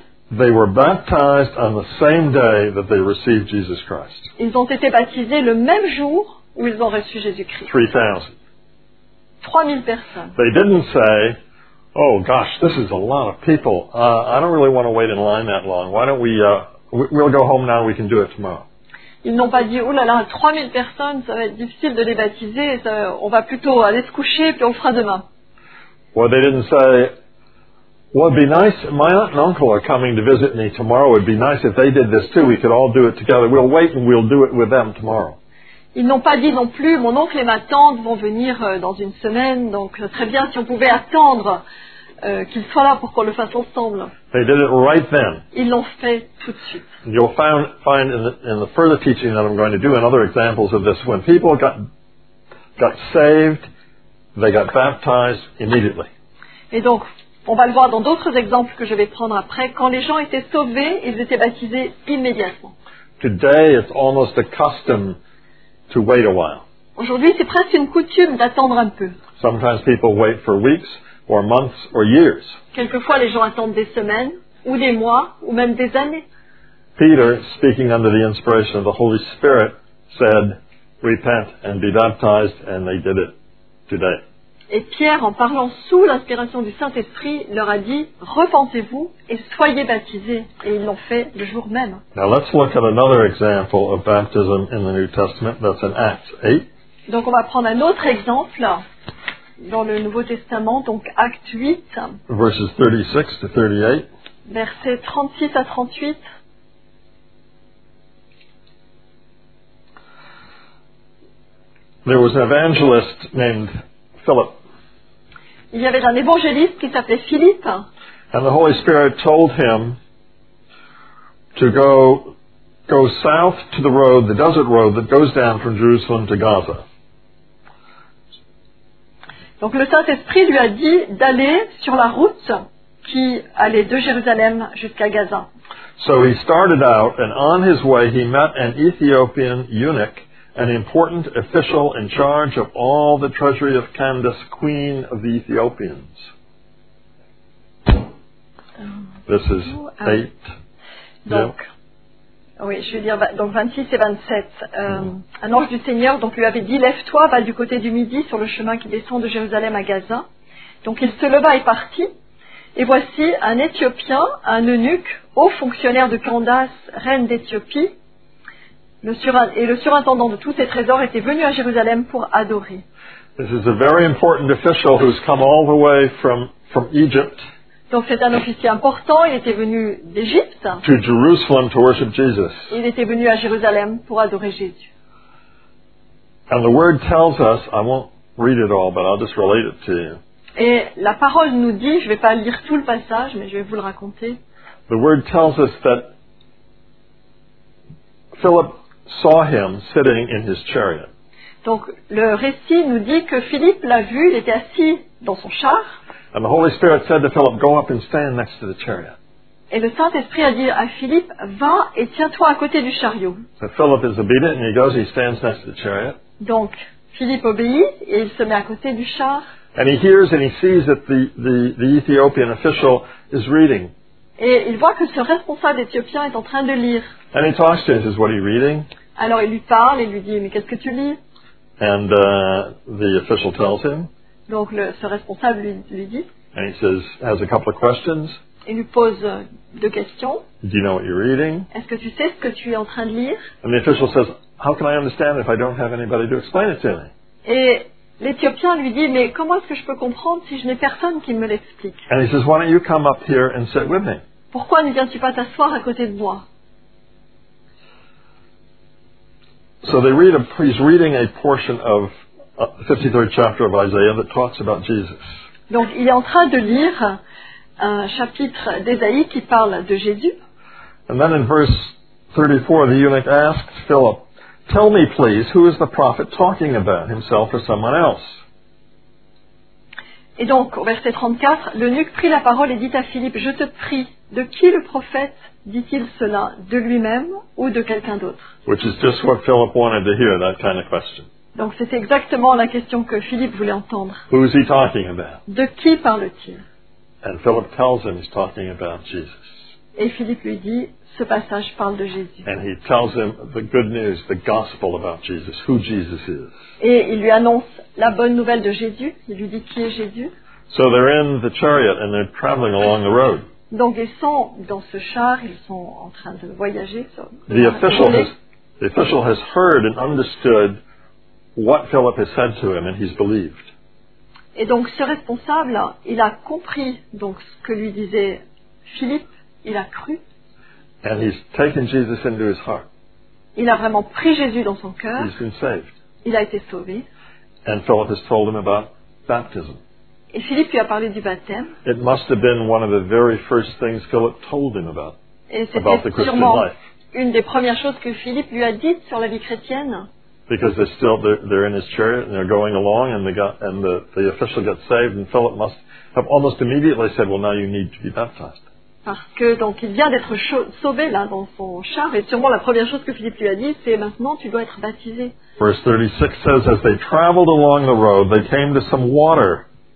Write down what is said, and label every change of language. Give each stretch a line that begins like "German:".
English: They were baptized on the same day that they received Jesus Christ.
French: Ils ont été baptisés le même jour où ils ont reçu Jésus-Christ.
English: 3,000.
French: 3,000 personnes.
English: They didn't say, oh gosh, this is a lot of people. I don't really want to wait in line that long. Why don't we'll go home now, we can do it tomorrow.
French: Ils n'ont pas dit, oh là là, 3,000 personnes, ça va être difficile de les baptiser, ça, on va plutôt aller se coucher, puis on le fera demain.
English: Well, they didn't say, well, it'd be nice, my aunt and uncle are coming to visit me tomorrow, it'd be nice if they did this too, we could all do it together, we'll wait and we'll do it with them tomorrow.
French: Ils n'ont pas dit non plus, mon oncle et ma tante vont venir dans une semaine, donc très bien si on pouvait attendre qu'ils soient là pour qu'on le fasse ensemble.
English: They did it right then.
French: Ils l'ont fait tout de suite.
English: You'll find in the further teaching that I'm going to do and other examples of this, when people got saved, they got baptized immediately.
French: Et donc, on va le voir dans d'autres exemples que je vais prendre après, quand les gens étaient sauvés, ils étaient baptisés immédiatement.
English: Today, it's almost a custom to wait a while.
French: Aujourd'hui, c'est presque une coutume d'attendre un peu.
English: Sometimes people wait for weeks or months or years.
French: Quelquefois, les gens attendent des semaines ou des mois ou même des années.
English: Peter, speaking under the inspiration of the Holy Spirit, said, "Repent and be baptized," and they did it today.
French: Et Pierre, en parlant sous l'inspiration du Saint-Esprit, leur a dit, repentez-vous et soyez baptisés. Et ils l'ont fait le jour même.
English: Now let's look at another example of baptism in the New Testament. That's in Acts 8.
French: Donc on va prendre un autre exemple dans le Nouveau Testament, donc Actes 8.
English: Verses 36 to 38.
French: Versets 36 à 38.
English: There was an evangelist named Philip.
French: Il y avait un évangéliste qui s'appelait Philippe.
English: And the Holy Spirit told him to go south to the road, the desert road that goes down from Jerusalem to Gaza.
French: Donc le Saint-Esprit lui a dit d'aller sur la route qui allait de Jérusalem jusqu'à Gaza.
English: So he started out, and on his way he met an Ethiopian eunuch, an important official in charge of all the treasury of Candace, queen of the Ethiopians. This is 8.
French: Donc, yeah. Oui, je veux dire, donc 26 et 27. Un ange du Seigneur donc lui avait dit, lève-toi, va du côté du midi sur le chemin qui descend de Jérusalem à Gaza. Donc il se leva et partit. Et voici un Éthiopien, un eunuque, haut fonctionnaire de Candace, reine d'Éthiopie, le surintendant de tous ses trésors était venu à Jérusalem pour adorer.
English: This is a very important official who's come all the way from Egypt.
French: Donc c'est un officier important, il était venu d'Égypte.
English: To Jerusalem to worship Jesus.
French: Il était venu à Jérusalem pour adorer Jésus.
English: And the word tells us, I won't read it all, but I'll just relate it to you.
French: Et la parole nous dit, je ne vais pas lire tout le passage, mais je vais vous le raconter.
English: The word tells us that Philip saw him sitting in his chariot.
French: Donc le récit nous dit que Philippe l'a vu, il était assis dans son char.
English: And the Holy Spirit said to Philip, go up and stand next to the chariot.
French: Et le Saint-Esprit a dit à Philippe, va et tiens-toi à côté du chariot.
English: So Philip is obedient and he goes, he stands next to the chariot.
French: Donc Philippe obéit et il se met à côté du char.
English: And he hears and he sees that the Ethiopian official is reading.
French: Et il voit que ce responsable éthiopien est en train de lire.
English: And he talks to him, says, what are you reading?
French: Alors il lui parle et lui dit, mais qu'est-ce que tu lis?
English: And the official tells him.
French: Donc ce responsable lui dit.
English: And he says, has a couple of questions.
French: Il lui pose deux questions.
English: Do you know what you're reading?
French: Est-ce que tu sais ce que tu es en train de lire?
English: And the official says, how can I understand if I don't have anybody to explain it to me?
French: Et l'Éthiopien lui dit, mais comment est-ce que je peux comprendre si je n'ai personne qui me l'explique?
English: And he says, why don't you come up here and sit with me?
French: Pourquoi ne viens-tu pas t'asseoir à côté de moi?
English: So they read he's reading a portion of the 53rd chapter of Isaiah that talks about Jesus.
French: Donc il est en train de lire un chapitre d'Ésaïe qui parle de Jésus.
English: And then in verse 34, the eunuch asks Philip, tell me please, who is the prophet talking about, himself or someone else?
French: Et donc, au verset 34, l'eunuque prit la parole et dit à Philippe, je te prie, de qui le prophète dit-il cela, de lui-même ou de quelqu'un d'autre?
English: Which is just what Philip wanted to hear, that kind of question.
French: Donc c'est exactement la question que Philippe voulait entendre.
English: Who is he talking about?
French: De qui parle-t-il?
English: And Philip tells him he's talking about Jesus.
French: Et Philippe lui dit, ce passage parle de Jésus.
English: And he tells him the good news, the gospel about Jesus, who Jesus is.
French: Et il lui annonce la bonne nouvelle de Jésus. Il lui dit qui est Jésus.
English: So they're in the chariot and they're traveling along the road.
French: Donc ils sont dans ce char, ils sont en train de voyager.
English: The official has heard and understood what Philip has said to him, and he's believed.
French: Et donc ce responsable, il a compris donc ce que lui disait Philippe, il a cru.
English: And he's taken Jesus into his heart.
French: Il a vraiment pris Jésus dans son cœur.
English: He's been saved.
French: Il a été sauvé.
English: And Philip has told him about baptism.
French: Et Philippe lui a parlé du baptême.
English: It must have been one of the very first things Philip told him about.
French: Et c'était sûrement une des premières choses que Philippe lui a dites sur la vie chrétienne.
English: Because they're in his chariot and they're going along and the official got saved and Philip must have almost immediately said, well, now you need to be baptized.
French: Parce que donc il vient d'être sauvé là dans son char et sûrement la première chose que Philippe lui a dit c'est maintenant tu dois être baptisé.
English: Verse 36 says, as they traveled along the road, they came to some water.